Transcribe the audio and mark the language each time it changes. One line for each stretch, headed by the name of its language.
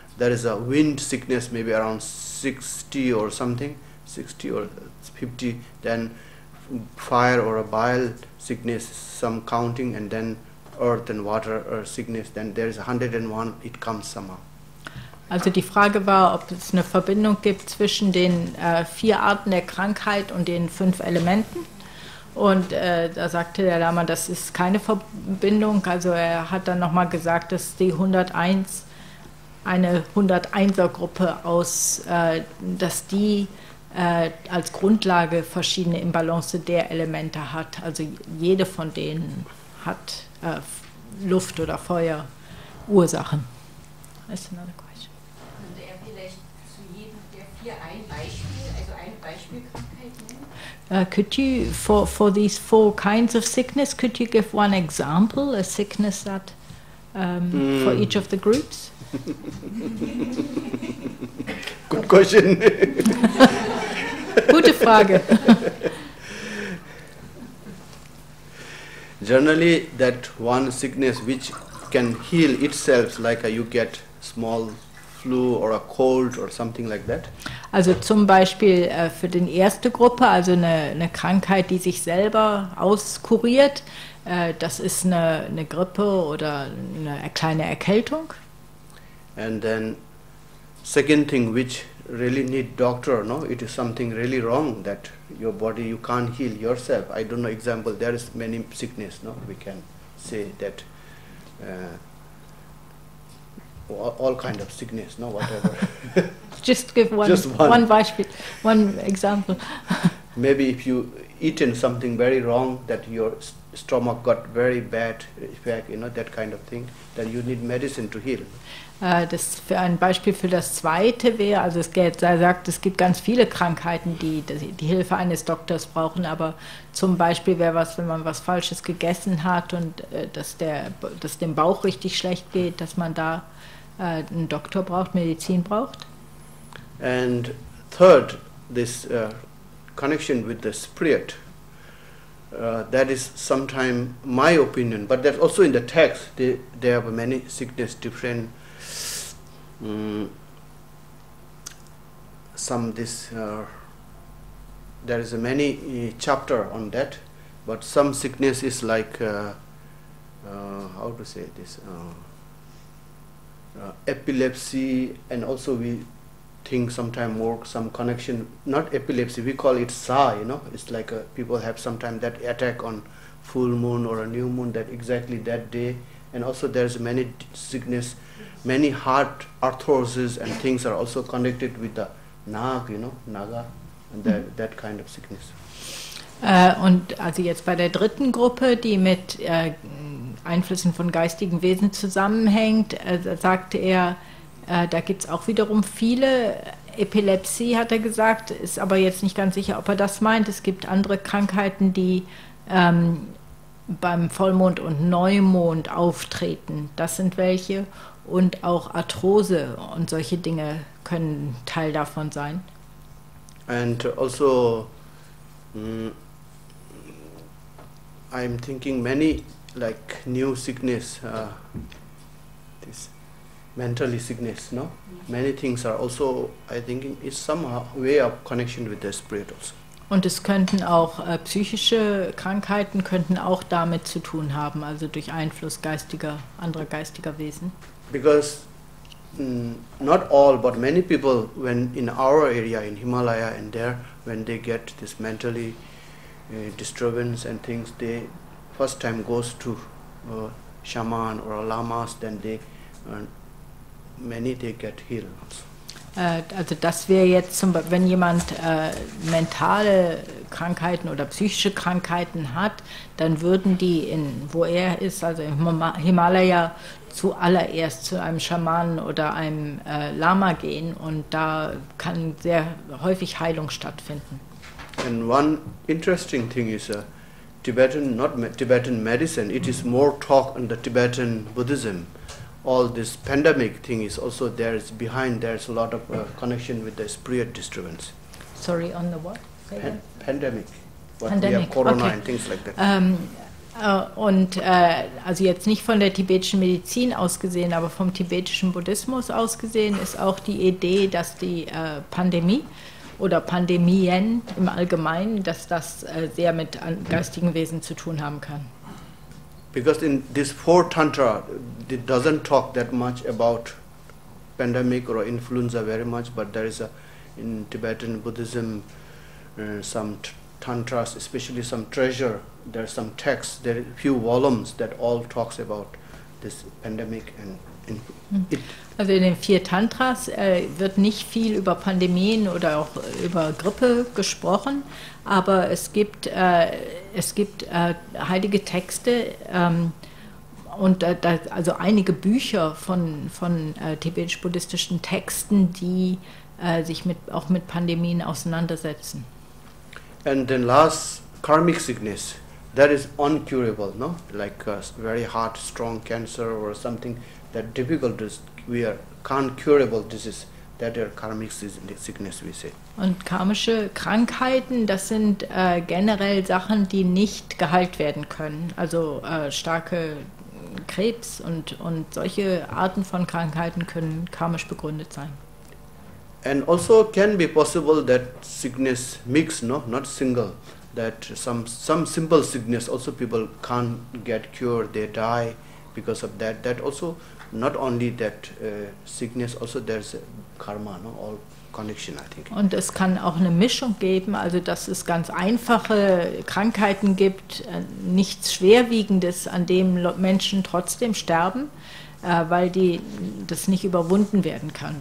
English: There is a wind sickness, maybe around 60 or something, 60 or 50. Then fire or a bile sickness, some counting, and then earth and water or sickness, then there is 101, it comes somehow.
German: Also die Frage war, ob es eine Verbindung gibt zwischen den vier Arten der Krankheit und den fünf Elementen. Und da sagte der Lama, das ist keine Verbindung. Also er hat dann nochmal gesagt, dass die 101, eine 101er-Gruppe aus, dass die als Grundlage verschiedene Imbalance der Elemente hat. Also jede von denen hat Luft oder Feuer Ursachen. Ist
English: another question.
German: Könnte er vielleicht zu jedem der vier ein Beispiel, also ein Beispielkrankheit nennen?
English: Could you, for these four kinds of sickness, could you give one example, a sickness that for each of the groups? Good question.
German: Gute Frage.
English: Generally, that one sickness which can heal itself, like you get small flu or a cold or something like that.
German: Also zum Beispiel für den erste Gruppe, also eine Krankheit, die sich selber auskuriert, das ist eine Grippe oder eine kleine Erkältung.
English: And then second thing which really need doctor, no? It is something really wrong that your body, you can't heal yourself. I don't know, example, there is many sickness, no? We can say that all kind of sickness, no? Whatever. Just give one, just one
German: Beispiel,
English: one example. Maybe if you eaten something very wrong, that your stomach got very bad effect, you know, that kind of thing, then you need medicine to heal.
German: Das für ein Beispiel für das zweite wäre, also er sagt, es gibt ganz viele Krankheiten, die Hilfe eines Doktors brauchen, aber zum Beispiel wäre was, wenn man was Falsches gegessen hat und dass dem Bauch richtig schlecht geht, dass man da einen Doktor braucht, Medizin braucht.
English: And third, this connection with the spirit, that is sometimes my opinion, but that's also in the text, there are many sickness, different some this there is a many chapter on that, but some sickness is like how to say this epilepsy, and also we think sometimes more some connection, not epilepsy, we call it sa, you know, it's like people have sometimes that attack on full moon or a new moon, that exactly that day. And also there's many sickness, many heart arthrosis and things are also connected with the Nag, you know, Naga, and that kind of sickness.
German: Und also jetzt bei der dritten Gruppe, die mit Einflüssen von geistigen Wesen zusammenhängt, sagte er, da gibt es auch wiederum viele Epilepsie, hat er gesagt, ist aber jetzt nicht ganz sicher, ob er das meint. Es gibt andere Krankheiten, die beim Vollmond und Neumond auftreten. Das sind welche. Und auch Arthrose und solche Dinge können Teil davon sein.
English: And also I'm thinking many like new sickness, this mentally sickness, no? Yes. Many things are also, I think, is some way of connection with the spirit also.
German: Und es könnten auch psychische Krankheiten könnten auch damit zu tun haben, also durch Einfluss geistiger, anderer geistiger Wesen.
English: Because not all, but many people, when in our area, in Himalaya and there, when they get this mentally disturbance and things, they first time goes to shaman or lamas, then they many they get healed also.
German: Also das wäre jetzt, zum Beispiel, wenn jemand mentale Krankheiten oder psychische Krankheiten hat, dann würden die, in wo er ist, also im Himalaya, zuallererst zu einem Schamanen oder einem Lama gehen, und da kann sehr häufig Heilung stattfinden.
English: And one interesting thing is Tibetan medicine, it is more talk on the Tibetan Buddhism. All this pandemic thing is also there is behind, there's a lot of connection with the spirit disturbance. Sorry, on the what? Pandemic. Pandemic. We have Corona, okay. And things like that.
German: Also jetzt nicht von der tibetischen Medizin ausgesehen, aber vom tibetischen Buddhismus ausgesehen, ist auch die Idee, dass die Pandemie oder Pandemien im Allgemeinen, dass das sehr mit geistigen Wesen zu tun haben kann.
English: Because in this four tantra, it doesn't talk that much about pandemic or influenza very much, but there is in Tibetan Buddhism some tantras, especially some treasure, there are some texts, there are a few volumes that all talks about this pandemic and
German: Also in den vier Tantras wird nicht viel über Pandemien oder auch über Grippe gesprochen, aber es gibt heilige Texte und also einige Bücher von tibetisch-buddhistischen Texten, die sich mit Pandemien auseinandersetzen.
English: And then last, karmic sickness. That is uncurable, no? Like a very hard, strong cancer or something. That difficult is, we are can't curable disease, that are karmic sickness, we say.
German: Und karmische Krankheiten, das sind generell Sachen, die nicht geheilt werden können. Also starke Krebs und solche Arten von Krankheiten können karmisch begründet sein.
English: And also can be possible that sickness mix, no, not single, that some simple sickness also people can't get cured, they die because of that. That also not only that sickness, also there's karma, no? All connection, I think.
German: Und es kann auch eine Mischung geben, also dass es ganz einfache Krankheiten gibt, nichts Schwerwiegendes, an dem Menschen trotzdem sterben, weil die das nicht überwunden werden kann.